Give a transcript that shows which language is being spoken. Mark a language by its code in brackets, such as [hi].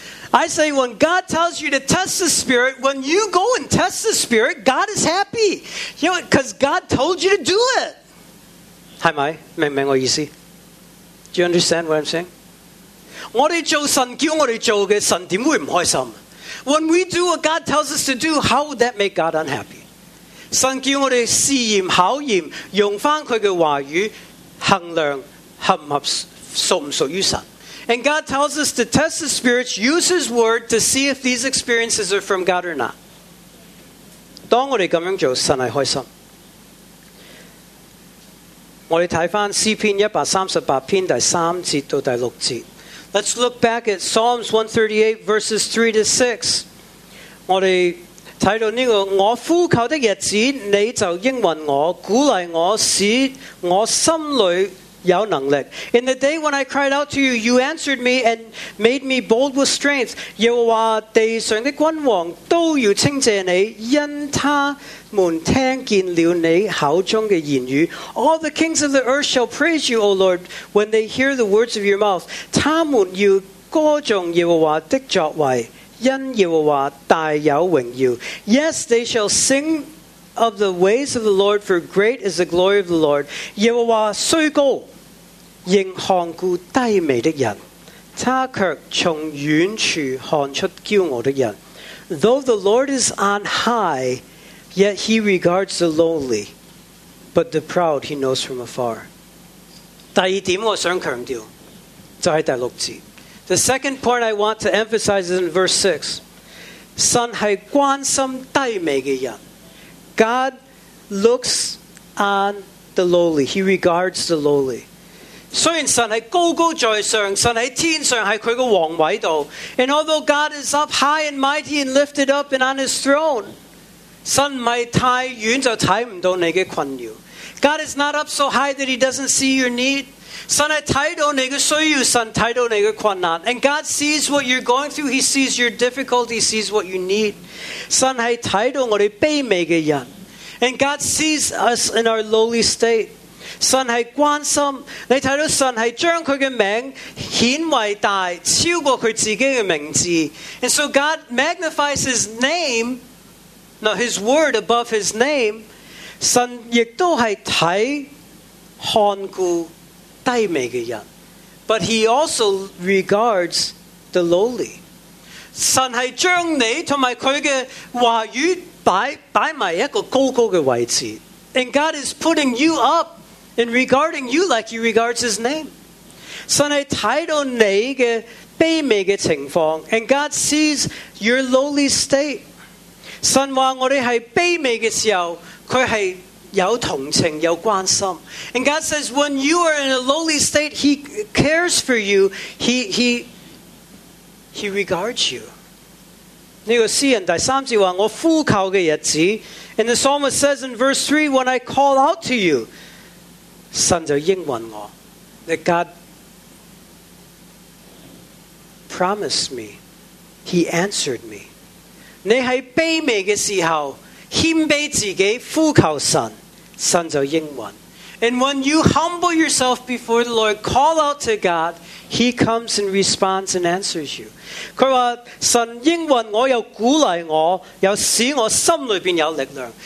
[en] I say, when God tells you to test the Spirit, when you go and test the Spirit, God is happy. You know, because God told you to do it. Hi, Mai. [zh] 明白我意思? [en] Do you understand what I'm saying? [zh] 我们做神叫我们做的,神怎么会不开心? [en] When we do what God tells us to do, how would that make God unhappy? [zh] 神叫我们试验,考验,用回他的话语,衡量,合不合,属不属于神? [en] And God tells us to test the spirits, use His word to see if these experiences are from God or not. [zh] 当我们这样做,神是开心. 我们看回诗篇138篇第三节到第六节。 [en] Let's look back at Psalms 138 verses [zh] 3 to 6. 我们看到这个，我呼求的日子，你就应允我，鼓励我，使我心里有能力。 [en] In the day when I cried out to you, you answered me and made me bold with strength. [zh] 耶和华地上的君王都要称谢你，因他们听见了你口中的言语。 [en] All the kings of the earth shall praise you, O Lord, when they hear the words of your mouth. [zh] 他们要歌颂耶和华的作为，因耶和华大有荣耀。 [en] Yes, they shall singOf the ways of the Lord, for great is the glory of the Lord. [zh] 耶和华虽高，仍看顾低微的人，他却从远处看出骄傲的人。 [en] Though the Lord is on high, yet he regards the lowly, but the proud he knows from afar. [zh] 第二点我想强调，就是第六节。 [en] The second point I want to emphasize is in verse 6. [zh] 神是关心低微的人。 [en] God looks on the lowly. He regards the lowly. [zh] 虽然神是高高在上，神在天上是他的王位度。 [en] And although God is up high and mighty and lifted up and on his throne, [zh] 神不是太远就看不到你的困扰。 [en] God is not up so high that he doesn't see your need. [zh] 神是看到你的需要，神看到你的困难。 [en] And God sees what you're going through. He sees your difficulty. He sees what you need. [zh] 神是看到我们卑微的人。 [en] And God sees us in our lowly state. [zh] 神是关心，你看到神是将他的名显为大，超过他自己的名字。 [en] And so God magnifies his name, not his word above his name. [zh] 神也都是看看顾卑微的人。 [en] But he also regards the lowly. [zh] 神是将你和他的话语摆在一个高高的位置。 [en] And God is putting you up and regarding you like he regards his name. [zh] 神是看到你的卑微的情况。 [en] And God sees your lowly state. [zh] 神说我们是卑微的时候，他是有同情有关心。 [en] And God says when you are in a lowly state, he cares for you. He regards you. [zh] 这个诗人第三节说，我呼求的日子。 [en] And the psalmist says in verse 3, when I call out to you, [zh] 神就应允我。 [en] That God promised me. He answered me. [zh] 你在卑微的时候，谦卑自己，呼求神，神就应允。 [en] And when you humble yourself before the Lord, call out to God,He comes and responds and answers you. [zh] 他说，神应允我，又鼓励我，又使我心里边有力量。